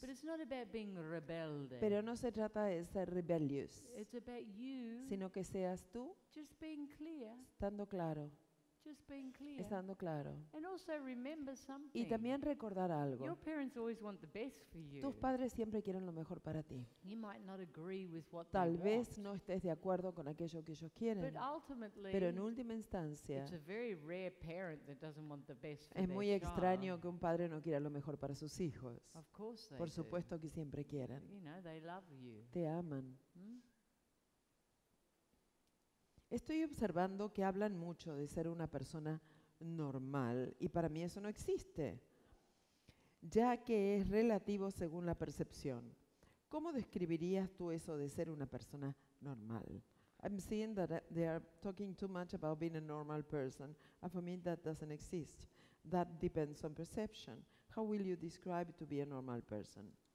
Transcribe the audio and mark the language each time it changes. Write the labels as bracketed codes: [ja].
[en] But it's not about being rebellious. [es] Pero no se trata de ser [en] rebellious. It's about you, [es] sino que seas tú, [en] just being clear. [es] Estando claro. [en] Just being clear. [es] Estando claro. [en] And also remember something. [es] Y también recordar algo. [en] Your parents always want the best for you. [es] Tus padres siempre quieren lo mejor para ti. [en] You might not agree with what [es] tal [en] they [es] vez no estés de acuerdo con aquello que ellos quieren. But ultimately, pero en última instancia, it's a very rare parent that doesn't want the best for es muy extraño que un padre no quiera lo mejor para sus hijos. [en] Of course they [es] por supuesto [en] do. [es] Que siempre quieren. [en] You know, they love you. [es] Te aman. Hmm? Estoy observando que hablan mucho de ser una persona normal y para mí eso no existe, ya que es relativo según la percepción. ¿Cómo describirías tú eso de ser una persona normal? [en] I'm seeing that they are talking too much about being a normal person, and for me that doesn't exist. That depends on perception. How will you describe to be a normal person?